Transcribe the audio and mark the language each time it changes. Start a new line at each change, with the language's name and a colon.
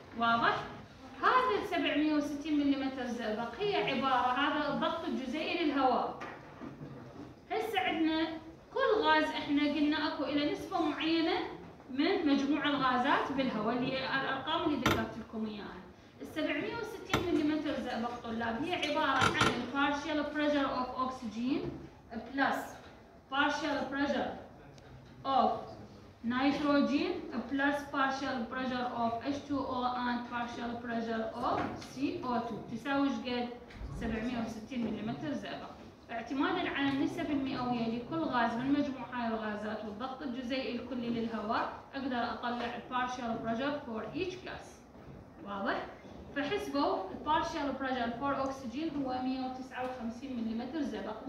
Arabic: واضح؟ هذا ال 760 ملم زئبق هي عباره هذا الضغط الجزيئي للهواء. هسه عندنا كل غاز احنا قلنا اكو الى نسبه معينه من مجموع الغازات بالهواء اللي هي الارقام اللي ذكرت لكم اياها. ال 760 ملم زئبق طلاب هي عباره عن
English: partial pressure of oxygen plus partial pressure of nitrogen plus partial pressure of H2O and partial pressure of CO2
Arabic: تساوي شقد 760 ملم زئبق. اعتمادا على النسب المئويه لكل غاز من مجموع هاي الغازات والضغط الجزيئي الكلي للهواء اقدر اطلع
English: partial pressure for each gas.
Arabic: واضح؟ فحسبوا
English: partial pressure for oxygen
Arabic: هو 159 ملم زئبق.